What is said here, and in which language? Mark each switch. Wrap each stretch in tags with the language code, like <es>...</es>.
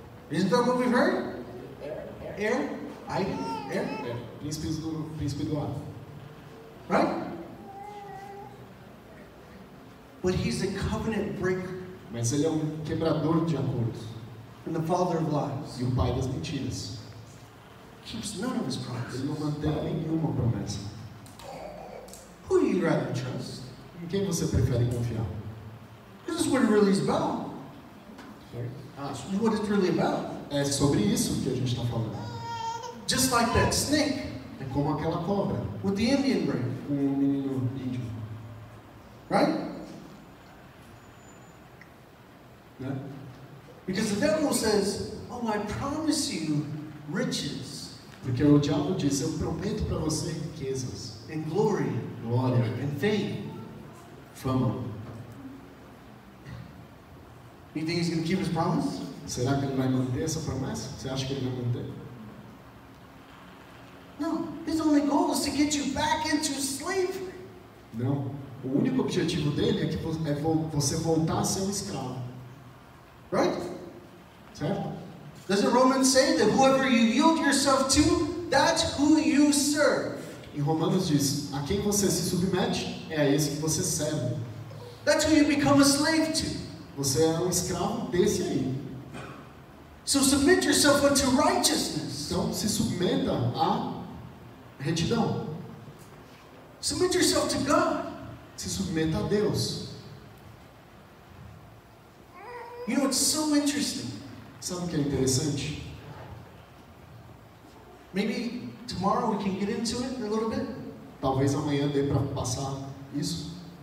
<en>Isn't that what we've heard? Air? Air? Air? Air.</en> <pt>Príncipe do ar.</pt> <en>Right? But he's a covenant breaker.</en> <pt>Mas ele é um quebrador de acordos.</pt> <en>And the father of lies.</en> <pt>E o pai das mentiras.</pt> <en>Keeps none of his promises.</en> <pt>Ele não mantém nenhuma promessa.</pt> <en>Who do you rather trust?</en> <pt>Em quem você prefere confiar?</pt> <en>This is what it really is about. What it's really about.</en> <pt>É sobre isso que a gente está falando.</pt> <en>Just like that snake.</en> <pt>É como aquela cobra.</pt> <en>With the Indian brain.</en> <pt>Com um menino índio.</pt> <en>Right?</en> <pt>Né?</pt> <en>Because the devil says, "Oh, I promise you riches."</en> <pt>Porque o diabo diz, eu prometo para você riquezas.</pt> <en>And glory.</en> <pt>Glória.</pt> <en>And fame.</en> <pt>Fama.</pt> <en>You think he's going to keep his promise?</en> <pt>Será que ele vai manter essa promessa? Você acha que ele vai manter?</pt> <en>No. His only goal is to get you back into slavery.</en> <pt>Não. O único objetivo dele é que você voltar a ser um escravo.</pt> <en>Right?</en> <pt>Certo?</pt> <en>Doesn't Romans say that whoever you yield yourself to, that's who you serve?</en> <pt>Em Romanos diz, a quem você se submete, é a esse que você serve.</pt> <en>That's who you become a slave to.</en> <pt>Você é um escravo desse aí.</pt> <en>So submit yourself unto righteousness.</en> <pt>Então se submeta à retidão.</pt> <en>Submit yourself to God.</en> <pt>Se submeta a Deus.</pt> <en>You know, it's so interesting.</en> <pt>Sabe o que é interessante?</pt> <en>Maybe tomorrow we can get into it a little bit.</en> <pt>Talvez amanhã dê para passar isso.</pt>